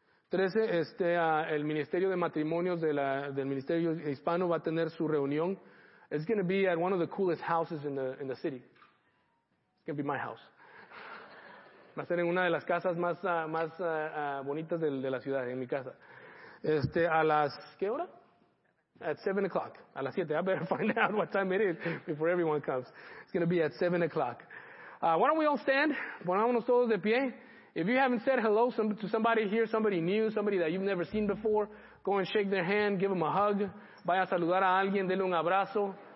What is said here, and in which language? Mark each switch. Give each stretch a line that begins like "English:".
Spanish: 13, el Ministerio de Matrimonios del Ministerio Hispano va a tener su reunión.
English: It's going to be at one of the coolest houses in the city. It's going to be my house.
Spanish: Va a ser en una de las casas más bonitas de la ciudad, en mi casa. ¿A las qué hora?
English: At 7 o'clock.
Spanish: A las 7.
English: I better find out what time it is before everyone comes. It's going to be at 7 o'clock. Why don't we all stand?
Spanish: Ponámonos todos de pie.
English: If you haven't said hello to somebody here, somebody new, somebody that you've never seen before, go and shake their hand, give them a hug.
Spanish: Vaya a saludar a alguien, dele un abrazo.